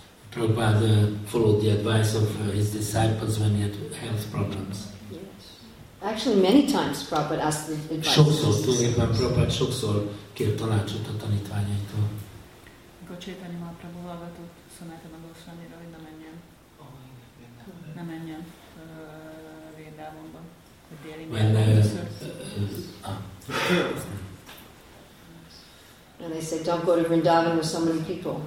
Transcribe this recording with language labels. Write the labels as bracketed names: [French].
[English] Prabhupada followed the advice of his disciples when he had health problems. Yes. Actually, many times Prabhupada asked the advice. [Hungarian] Sokszor, tulajdonképpen Prabhupada sokszor kért tanácsot a tanítványaitól. Amikor Chaitanya Mahaprabhu hallgatott szonátan a Goswamira, hogy ne menjen Vrindavanban. [English] And they said, don't go to Vrindavan with so many people.